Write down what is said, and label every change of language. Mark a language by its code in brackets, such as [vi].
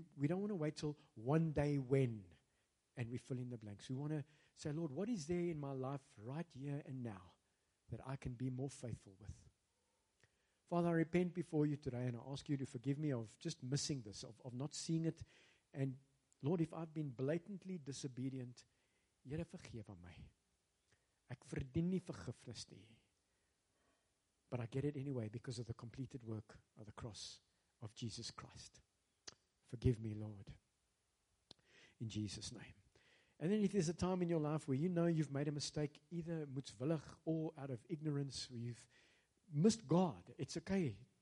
[en] We don't want to wait till one day when and we fill in the blanks. We want to say, Lord, what is there in my life right here and now that I can be more faithful with? Father, I repent before you today and I ask you to forgive me of just missing this, of not seeing it. And Lord, if I've been blatantly disobedient, [af] Here, vergewe my. Ek verdien nie vergifnis nie. [en] But I get it anyway because of the completed work of the cross of Jesus Christ. Forgive me, Lord. In Jesus' name. And then if there's a time in your life where you know you've made a mistake, either moedswillig or out of ignorance, where you've missed God, it's okay.